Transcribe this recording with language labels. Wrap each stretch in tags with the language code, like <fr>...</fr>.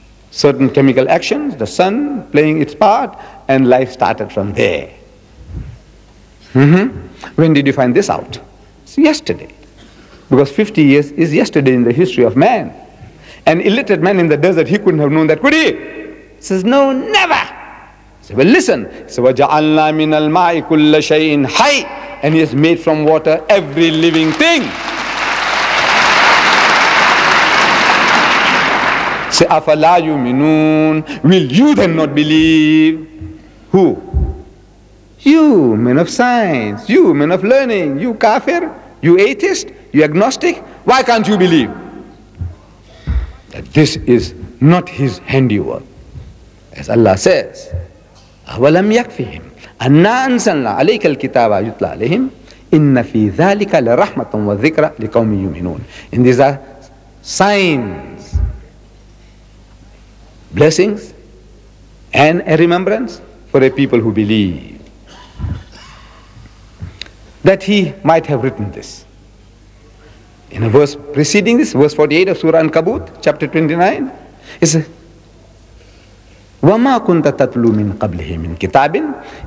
<en>Certain chemical actions, the sun playing its part, and life started from there. When did you find this out? It's yesterday. Because 50 years is yesterday in the history of man. An illiterate man in the desert, he couldn't have known that, could he? He says, no, never. He says, well, listen. He says,</en> <ar>وَجَعَلْنَا مِنَ الْمَاءِ كُلَّ شَيْءٍ حَيٍّ.</ar> <en>And he has made from water every living thing. Say,</en> <ar>أَفَلَا يُؤْمِنُونَ.</ar> <en>Will you then not believe? Who? You, men of science, you, men of learning, you kafir, you atheist, you agnostic, why can't you believe that this is not his handiwork? As Allah says,</en> <ar>أَوَلَمْ يَكْفِهِمْ أَنَّا أَنزَلْنَا عَلَيْكَ الْكِتَابَ يُتْلَى عَلَيْهِمْ إِنَّ فِي ذَلِكَ لَرَحْمَةً وَذِكْرَ لِقَوْمِ يُؤْمِنُونَ.</ar> <en>And these are signs, blessings, and a remembrance for a people who believe. That he might have written this. In a verse preceding this, verse 48 of Surah An-Kabut, chapter 29, he says,</en> <ar>وَمَا كُنْتَ تَتْلُو مِنْ قَبْلِهِ مِنْ كِتَابٍ.</ar>